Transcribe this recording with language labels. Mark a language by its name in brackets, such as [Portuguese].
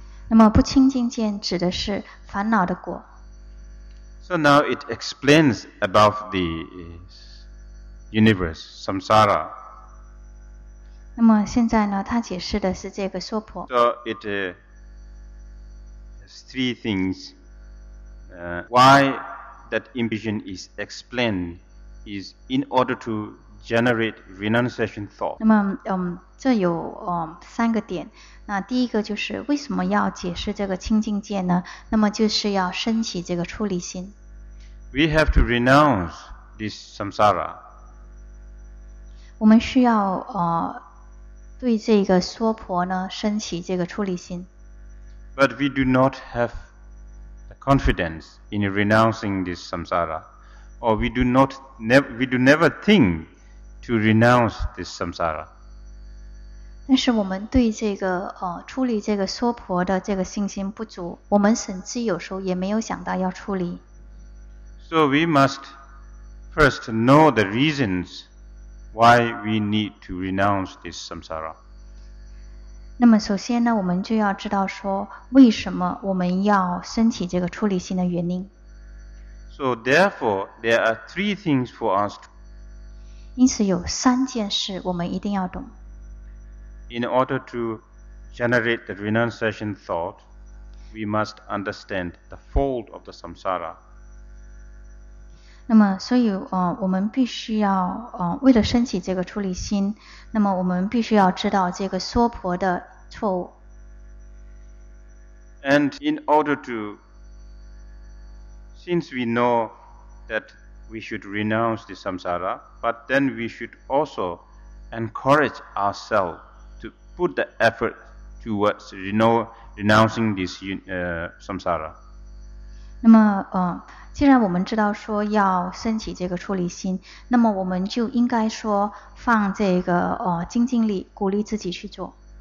[Chinese] 那么不清净见指的是烦恼的果。 [English] So now it explains about the universe, samsara. [Chinese] 那么现在呢，他解释的是这个娑婆。 [English] So it is three things. Why that impression is explained is in order to generate renunciation thought. [Chinese] 那么这有三个点。那第一个就是为什么要解释这个清净见呢？那么就是要升起这个出离心。 [English] We have to renounce this samsara. [Chinese] 我们需要对这个娑婆呢，升起这个出离心。 [English] But we do not have the confidence in renouncing this samsara, or we do never think to renounce this samsara. [Chinese] 但是我们对这个出离这个娑婆的这个信心不足，我们甚至有时候也没有想到要出离。 [English] So we must first know the reasons why we need to renounce this samsara. [Chinese] 那么首先呢，我们就要知道说，为什么我们要升起这个出离心的原因。 [English] So therefore, there are three things for us. [Chinese] 因此有三件事我们一定要懂。 [English] In order to generate the renunciation thought, we must understand the fold of the samsara. [Chinese] 那么所以我们必须要为了升起这个出离心，那么我们必须要知道这个娑婆的错误。 [English] And in order to, since we know that we should renounce the samsara, but then we should also encourage ourselves to put the effort towards renouncing this samsara. [Chinese] 那么既然我们知道说要升起这个出离心，那么我们就应该说放这个精进力，鼓励自己去做。